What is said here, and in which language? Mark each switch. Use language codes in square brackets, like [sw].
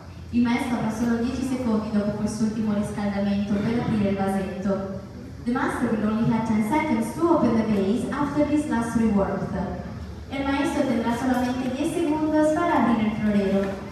[it] Il maestro avrà solo 10 secondi dopo quest'ultimo riscaldamento per aprire il vasetto. [en] The master will only have 10 seconds to open the vase after this last rework. [es] El maestro tendrá solamente 10 segundos para abrir el florero.